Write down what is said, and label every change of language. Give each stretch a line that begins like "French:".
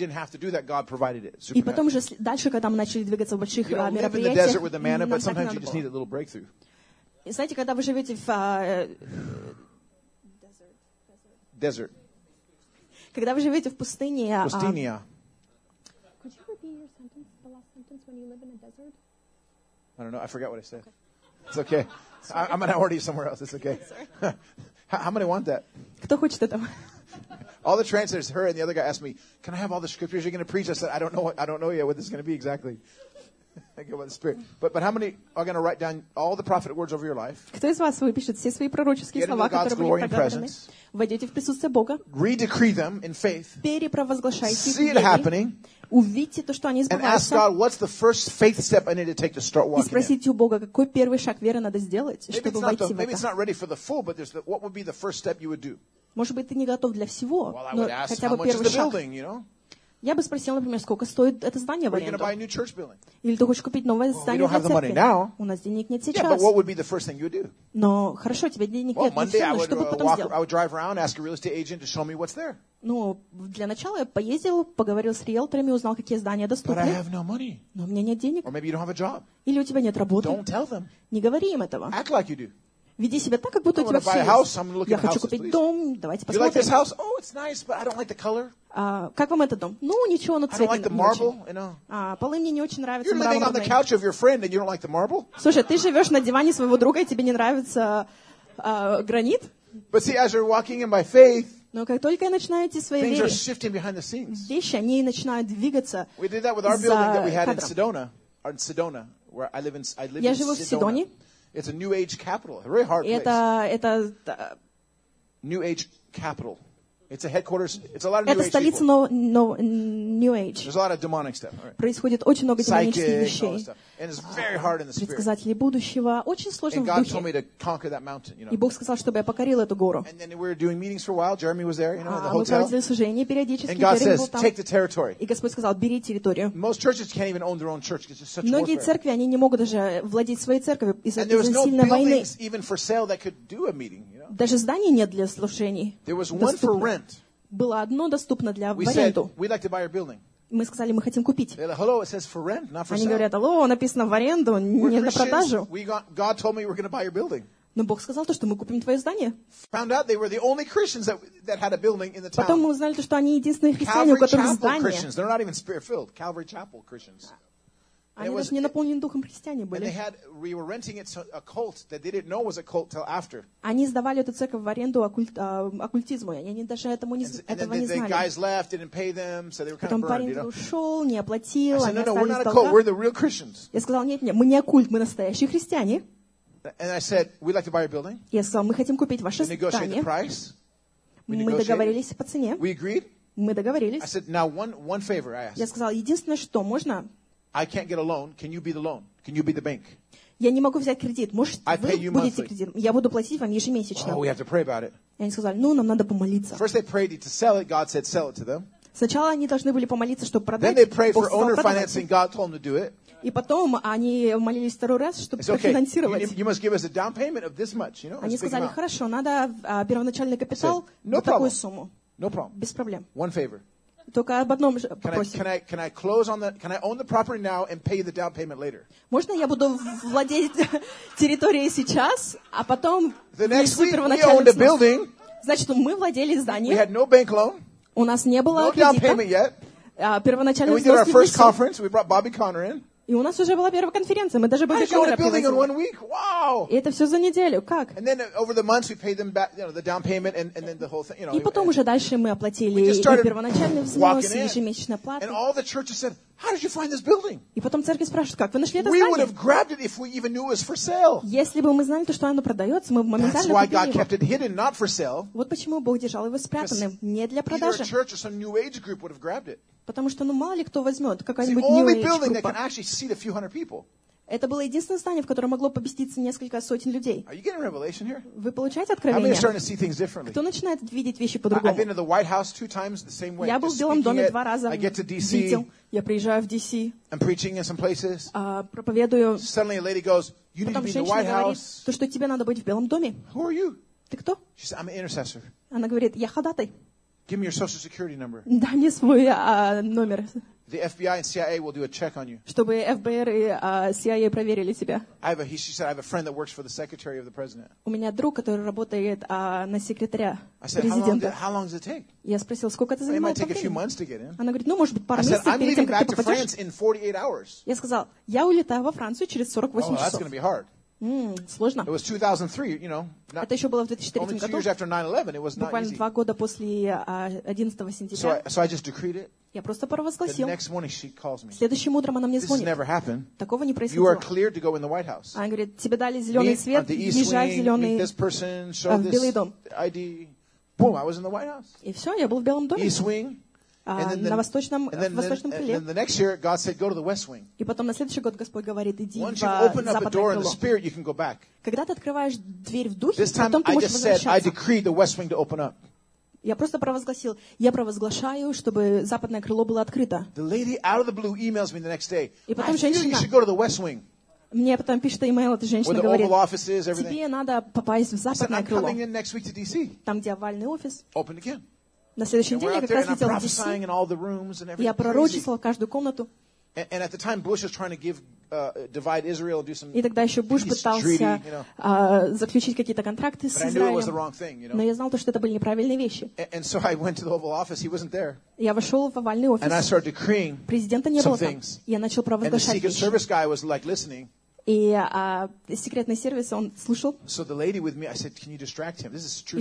Russian: И потом уже дальше, когда мы начали двигаться в больших мероприятиях, нам так и надо было. И знаете, когда вы живете в
English: Desert.
Russian: Когда вы живете в пустыне, Пустыня.
English: Could you repeat your sentence, the last sentence when you live in a desert? I don't know. I forgot what I said. Okay. It's okay. I'm gonna order you somewhere else. It's okay. How many want that?
Russian: Кто хочет этого?
English: All the translators, her and the other guy asked me, "Can I have all the scriptures you're gonna preach?" I said, "I don't know. I don't know yet what this is gonna be exactly." I go by the Spirit. But how many are going to write down all the prophetic words over your life?
Russian: Кто из вас выпишет все свои пророческие слова, которые были проговорены? Войдите в присутствие Бога.
English: Redecree them in faith.
Russian: Перепровозглашайте их.
English: See it happening.
Russian: Увидите то, что они сбываются.
English: And ask God, what's the first faith step I need to take to start walking?
Russian: И спросите у Бога, какой первый шаг веры надо сделать, чтобы войти в это.
English: Maybe it's not ready for the full, but there's what would be the first step you would do?
Russian: Может быть, ты не готов для всего, но хотя бы первый шаг.
English: Building, you know?
Russian: Я бы спросил, например, сколько стоит это здание в аренду? Или ты хочешь купить новое здание для церкви? У нас денег нет сейчас.
English: Yeah, but what would be the first thing you do?
Russian: Но хорошо, тебе денег нет.
English: Monday,
Russian: но что бы потом сделал?
English: I would drive around, ask a real estate agent to show me what's there.
Russian: Ну, для начала я поездил, поговорил с риэлторами, узнал, какие здания доступны.
English: But I have no money.
Russian: Но у меня нет денег.
English: Or maybe you don't have a job.
Russian: Или у тебя нет работы.
English: Don't tell them.
Russian: Не говори им этого.
English: Act like you do.
Russian: Веди себя так, как будто у тебя все есть. Я хочу купить дом. Давайте посмотрим.
English: You like this house? Oh, it's nice, but I don't like the color.
Russian: Как вам этот дом? Ну, ничего, но цвет не очень.
English: I don't like the marble,
Russian: полы мне не очень нравятся.
English: You're living on the couch of your friend and you don't like the marble?
Russian: Слушай, ты живешь на диване своего друга, и тебе не нравится гранит?
English: But see, as you're walking in by faith,
Russian: но как только я начинаю идти своей верой, вещи, они начинают двигаться.
English: We did that with our building that we had in Sedona, or in Sedona, where I live in.
Russian: Я живу в Седоне.
English: It's a new age capital, a very hard place.
Russian: Это
English: new age capital. It's a headquarters. It's a lot of new
Russian: age. Это столица new age.
English: There's a lot of demonic stuff. Right.
Russian: Происходит очень много демонических вещей.
English: And it's very hard in the spirit.
Russian: Предсказатели будущего очень сложно в духе.
English: And God told me to conquer that mountain, you know.
Russian: И Бог сказал, чтобы я покорил эту гору.
English: And then we were doing meetings for a while. Jeremy was there, you know, in the hotel.
Russian: А мы проводили служение периодически.
English: And God says, take the territory.
Russian: И Господь сказал, бери территорию.
English: Most churches can't even own their own church because it's such.
Russian: Многие церкви они не могут даже владеть своей церковью из-за сильной войны.
English: And there was no even for sale that could do a meeting.
Russian: Даже здания нет для служений.
English: There was one for rent.
Russian: Было одно доступно для в аренду.
English: We'd like to buy your building.
Russian: Мы сказали, мы хотим купить.
English: Like, hello, it says for rent, not for
Russian: Они
English: sale.
Russian: Говорят, алло, написано в аренду,
English: we're
Russian: не на продажу.
English: God told me we're going to buy your building.
Russian: Но Бог сказал, то, что мы купим твое здание.
English: Found out they were the only Christians that had a building in the town.
Russian: Потом мы узнали, то, что они единственные христиане, у которых здание.
English: Calvary Chapel Christians. They're not even spirit-filled. Calvary Chapel Christians.
Russian: Они даже не наполнены духом христиане были.
English: We were renting it to a cult that they didn't know was a cult till after.
Russian: Они сдавали эту церковь в аренду оккультизму, и они даже этого не знали.
English: And then the guys left, didn't pay them, so they were kind of burned.
Russian: Потом парень ушел, не оплатил.
English: I said, no, we're not a cult. We're the real Christians.
Russian: Я сказал, нет, мы не оккульт, мы настоящие христиане.
English: And I said, we'd like to buy your building.
Russian: Я сказал, мы хотим купить ваше здание.
English: Negotiate the price.
Russian: Мы договорились по цене.
English: We agreed.
Russian: Мы договорились.
English: I said, now one favor I asked.
Russian: Я сказал, единственное, что можно.
English: I can't get a loan. Can you be the loan? Can you be the bank?
Russian: Я не могу взять кредит. Может, вы будете кредитом? Я буду платить вам ежемесячно.
English: Oh, we have to pray about it.
Russian: И они сказали, нам надо помолиться.
English: First they prayed to sell it. God said, sell it to them.
Russian: Сначала они должны были помолиться, чтобы продать.
English: Then they prayed for owner financing. God told them to do it.
Russian: И потом они молились второй раз, чтобы профинансировать.
English: You must give us a down payment of this much, you know.
Russian: Они сказали, хорошо, надо первоначальный капитал на такую сумму.
English: No problem.
Russian: Без проблем.
English: One favor.
Russian: Только об одном попросим.
English: Can I close on the, can I own the property now and pay the down payment later?
Russian: Можно я буду владеть территорией сейчас, а потом
English: the next week we owned a building.
Russian: Значит, мы владели зданием.
English: We had no bank loan.
Russian: У нас не было кредита.
English: No down payment yet.
Russian: Первоначально
English: we did our first conference. We brought Bobby Connor in.
Russian: И у нас уже была первая конференция. Мы даже Bobby Connor привезли.
English: I owned a building in 1 week. Wow.
Russian: И это все за неделю. Как?
English: And then over the months we paid them back, you know, the down payment and then the whole thing. You know,
Russian: и потом уже дальше мы оплатили и первоначальный взнос, и ежемесячная плата.
English: And all the churches said, how did you find this building?
Russian: И потом церкви спрашивают, как вы нашли это
English: we
Russian: здание?
English: We would have grabbed it if we even knew it was for sale.
Russian: Если бы мы знали, то, что оно продается, мы бы моментально купили его.
English: That's why God kept it hidden, not for sale.
Russian: Вот почему Бог держал его спрятанным, не для продажи.
English: Either a church or some new age group would have grabbed it.
Russian: Потому что, мало ли кто возьмет, какая-нибудь new age
English: building that can actually seat a few hundred people.
Russian: Это было единственное здание, в котором могло поместиться несколько сотен людей.
English: Are you getting revelation here?
Russian: Вы получаете откровение?
English: How many are starting to see things differently?
Russian: Кто начинает видеть вещи по-другому?
English: I've been to the White House two times the same way.
Russian: Я был в Белом доме два раза.
English: I get to DC.
Russian: Я приезжаю в DC.
English: I'm preaching in some places.
Russian: Проповедую.
English: Suddenly a lady goes, you need to be in the White House.
Russian: То, что тебе надо быть в Белом доме.
English: Who are you?
Russian: Ты кто?
English: She says, I'm an intercessor.
Russian: Она говорит, я ходатай.
English: Give me your social security number.
Russian: Дай мне свой номер.
English: The FBI and CIA will do a check on you.
Russian: Чтобы ФБР и CIA проверили тебя.
English: She said, I have a friend that works for the secretary of the president.
Russian: У меня друг, который работает на секретаря президента.
English: I said, how long does it take?
Russian: Я спросил, сколько это занимает?
English: It might take a few months to get in.
Russian: Она говорит, может быть, пару месяцев перед тем, как ты попадешь.
English: I said, I'm leaving back to France in 48 hours.
Russian: Я сказал, я улетаю во Францию через 48 часов.
English: Oh, that's going to be hard.
Russian: Сложно.
English: It was 2003, you know.
Russian: Это еще было в 2003 году.
English: Only 2 years after 9/11, it was not easy.
Russian: Буквально 2 года после 11 сентября.
English: So I just decreed it.
Russian: Я просто провозгласил.
English: The next morning she calls me.
Russian: Следующим утром она мне
English: This
Russian: звонит.
English: This never happened.
Russian: Такого не происходило.
English: You are cleared to go in the White House.
Russian: Она говорит, тебе дали зеленый свет, езжай в зеленый.
English: This person, show this
Russian: Белый дом.
English: ID. Boom, I was in the White House.
Russian: И все, я был в Белом доме.
English: East wing.
Russian: На восточном, в восточном крыле.
English: And then the next year, God said, go to the west wing.
Russian: И потом на следующий год Господь говорит, иди в западное крыло. Когда ты открываешь дверь в духе,
English: this time,
Russian: потом ты можешь возвращаться.
English: I decree the west wing to open up.
Russian: Я просто провозгласил, я провозглашаю, чтобы западное крыло было открыто.
English: The lady out of the blue emails me the next day.
Russian: И потом женщина,
English: you should go to the west wing.
Russian: Мне потом пишет email, эта женщина говорит,
English: the Oval Office is, everything.
Russian: Тебе надо попасть в западное
English: said,
Russian: крыло.
English: I'm coming in next week to DC.
Russian: Там, где овальный офис.
English: Open again.
Russian: На следующий день я как раз летел в DC. Я пророчествовал каждую комнату.
English: And at the time Bush was trying to give divide Israel and do some
Russian: И тогда еще Буш пытался
English: treaty, you know.
Russian: Заключить какие-то контракты с Израилем.
English: Thing, you know.
Russian: Но я знал то, что это были неправильные вещи.
English: And so I went to the Oval Office. He wasn't there.
Russian: Я вошел в овальный офис.
English: And I started decreeing
Russian: Президента не было там.
English: Things.
Russian: Я начал провозглашать
English: And the Secret
Russian: вещи.
English: Service guy was like listening.
Russian: И секретный сервис, он слушал.
English: So the lady with me, I said, can you distract him? This is a true